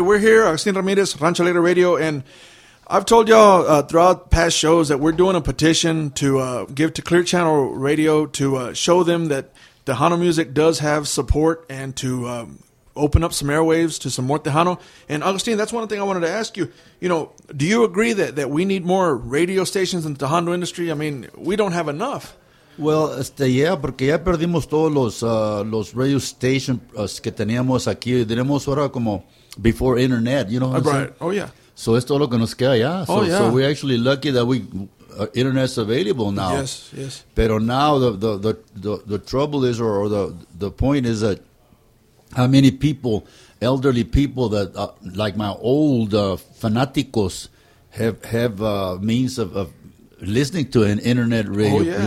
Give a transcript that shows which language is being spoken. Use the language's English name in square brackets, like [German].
[English] We're here, Agustin Ramirez, Rancho Leyda Radio, and I've told y'all throughout past shows that we're doing a petition to give to Clear Channel Radio to show them that Tejano music does have support and to open up some airwaves to some more Tejano. And Agustin, that's one thing I wanted to ask you. You know, do you agree that, that we need more radio stations in the Tejano industry? I mean, we don't have enough. Well, yeah, [Spanish] porque ya perdimos todos los [English] radio stations [Spanish] que teníamos aquí. Tenemos ahora como [English] before internet, you know what I'm saying? Right. Oh, yeah. [Spanish] So es todo lo que nos queda ya. [English] Oh, so, yeah. So we're actually lucky that we internet's available now. Yes, yes. [Spanish] Pero [English] now the trouble is, or the point is that how many people, elderly people that like my old [Spanish] fanáticos [English] have means of listening to an internet radio,